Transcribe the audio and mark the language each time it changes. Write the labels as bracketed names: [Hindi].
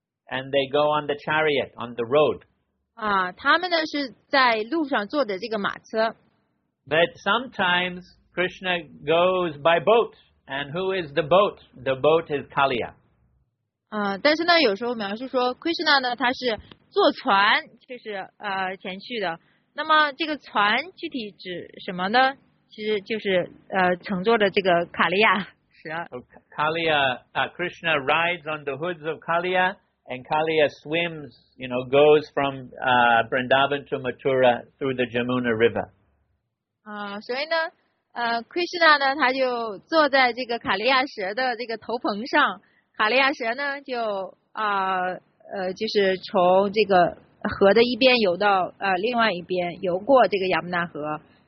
[English] And they go on the chariot on the road. [Chinese] 他们呢是在路上坐的这个马车。 [English] But sometimes Krishna goes by boat, and who is the boat? The boat is Kaliya. [Chinese] 但是呢，有时候描述说 Krishna 呢，他是坐船，就是前去的。那么这个船具体指什么呢？其实就是乘坐的这个卡利亚蛇。 [English] Kaliya, Krishna rides on the hoods of Kaliya. And Kaliya swims, you know, goes from Vrindavan to Mathura through the Jamuna River. [Chinese] 所以呢，Krishna 呢，他就坐在这个卡利亚蛇的这个头棚上，卡利亚蛇呢就就是从这个河的一边游到另外一边，游过这个亚姆纳河。